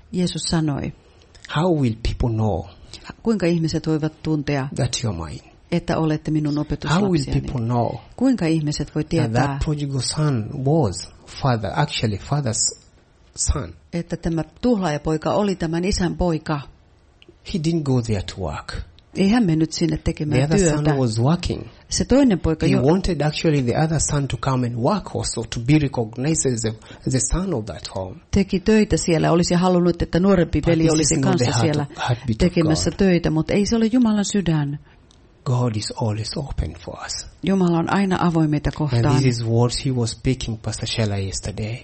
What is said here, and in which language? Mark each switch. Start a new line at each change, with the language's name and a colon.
Finnish: Jeesus sanoi.
English: How will people know?
Finnish: Kuinka ihmiset voivat tuntea?
English: That you're mine.
Finnish: Että olette minun opetuslapsiani.
English: How will people know?
Finnish: Kuinka ihmiset voi tietää?
English: That prodigal son was father, actually father's son.
Finnish: Että tämä tuhlaaja poika oli tämän isän poika.
English: He didn't go there to work.
Finnish: Ei hän mennyt sinne tekemään työtä. The
English: other son was working.
Finnish: Se toinen poika
English: he wanted actually the other son to come and work also to be recognized as the son of that home.
Finnish: Teki töitä siellä, olisi halunnut, että nuorempi veli olisi kanssa siellä tekemässä töitä, mutta ei se ole Jumalan sydän.
English: God is always open for us.
Finnish: Jumala on aina avoin meitä kohtaan.
English: And this is words he was speaking Pastor Shella yesterday.